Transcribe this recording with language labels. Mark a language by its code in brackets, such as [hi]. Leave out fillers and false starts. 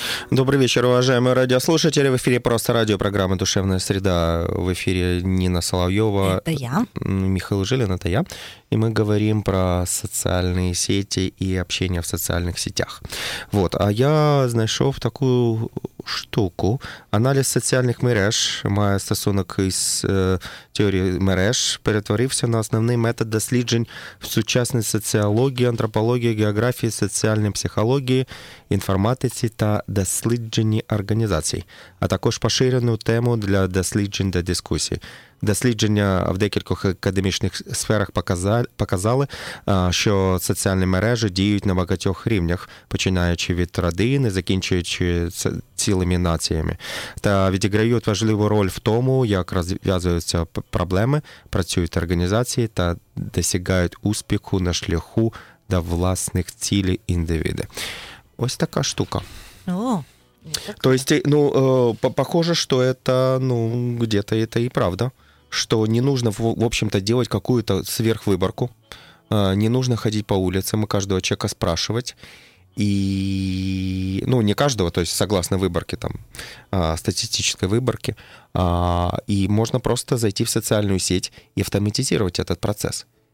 [ru] Добрый вечер, уважаемые радиослушатели. В эфире «Просто радио», программа «Душевная среда». В эфире Нина Соловьева. Это я. Михаил Жилин, это я. И мы говорим про социальные сети и общение в социальных сетях. Вот, а я [uk] знайшов в [ru] такую штуку. [uk] Аналіз соціальних мереж має стосунок із теорією мереж, перетворився на основний метод досліджень в сучасній соціології, антропології, географії, соціальній психології, інформатиці та дослідженні організацій, а також поширену тему для досліджень та дискусій. Дослідження в декількох академічних сферах показали, що соціальні мережі діють на багатьох рівнях, починаючи від родини, закінчуючи цілими націями, та відіграють важливу роль в тому, як розв'язуються проблеми, працюють організації та досягають успіху на шляху до власних цілей індивіди. Ось така штука. О! [ru] То есть, ну, похоже, что это, ну, где-то это и правда, что не нужно, в общем-то, делать какую-то сверхвыборку, не нужно ходить по улицам и каждого человека спрашивать, и, ну, не каждого, то есть, согласно выборке, там, статистической выборке, и можно просто зайти в социальную сеть и автоматизировать этот процесс.